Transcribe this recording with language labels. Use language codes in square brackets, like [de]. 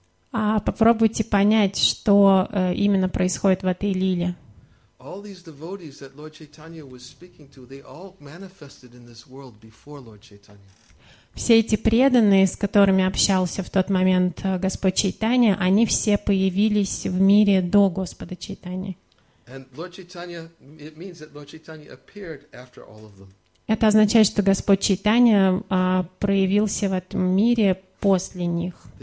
[ru] Попробуйте понять, что именно происходит в этой лиле. [en] All these devotees that Lord Chaitanya was speaking to, they all manifested in this world before Lord Chaitanya. [ru] Все эти преданные, с которыми общался в тот момент Господь Чайтанья, они все появились в мире до Господа Чайтаньи. [en] And Lord Chaitanya, it means that Lord Chaitanya appeared after all of them. [ru] Это означает, что Господь Чайтанья проявился в этом мире после них.